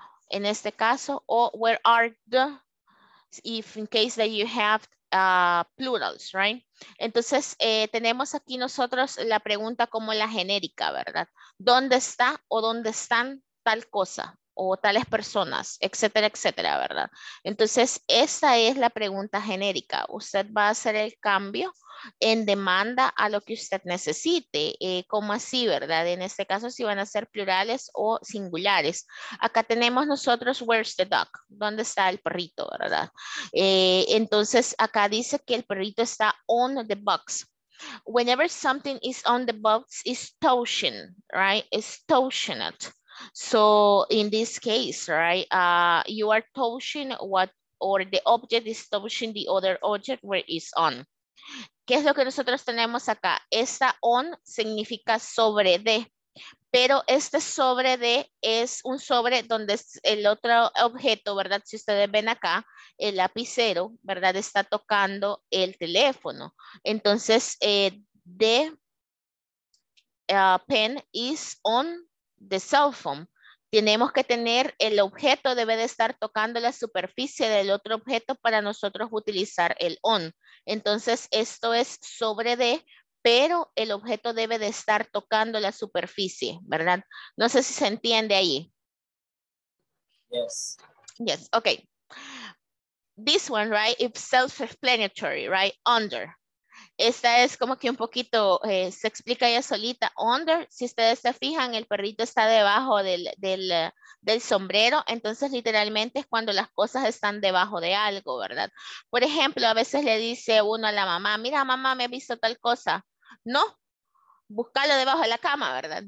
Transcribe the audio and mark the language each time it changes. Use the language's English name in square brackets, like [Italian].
[Spanish] En este caso, [English] o where are the, if in case that you have plurals, right? [Spanish] Entonces, tenemos aquí nosotros la pregunta como la genérica, ¿verdad? ¿Dónde está o dónde están tal cosa o tales personas, etcétera, etcétera, ¿verdad? Entonces, esta es la pregunta genérica. Usted va a hacer el cambio en demanda a lo que usted necesite, como así, ¿verdad? En este caso, si van a ser plurales o singulares. Acá tenemos nosotros, [English] where's the dog? [Spanish] ¿Dónde está el perrito, verdad? Entonces, acá dice que el perrito está [English] on the box. Whenever something is on the box, it's touching, right? It's touching it. So, in this case, right, you are touching what, or the object is touching the other object where it's on. [Spanish] ¿Qué es lo que nosotros tenemos acá? Esta on significa sobre de, pero este sobre de es un sobre donde el otro objeto, ¿verdad? Si ustedes ven acá, el lapicero, ¿verdad? Está tocando el teléfono. Entonces, [English] the pen is on the cell phone. [Spanish] Tenemos que tener el objeto, debe de estar tocando la superficie del otro objeto para nosotros utilizar el on. Entonces, esto es sobre de, pero el objeto debe de estar tocando la superficie, ¿verdad? No sé si se entiende ahí. [English] Yes. Yes, okay. This one, right, it's self-explanatory, right, under. [Spanish] Esta es como que un poquito, se explica ya solita, under, si ustedes se fijan, el perrito está debajo del sombrero, entonces literalmente es cuando las cosas están debajo de algo, ¿verdad? Por ejemplo, a veces le dice uno a la mamá, mira mamá, me he visto tal cosa, no, búscalo debajo de la cama, ¿verdad?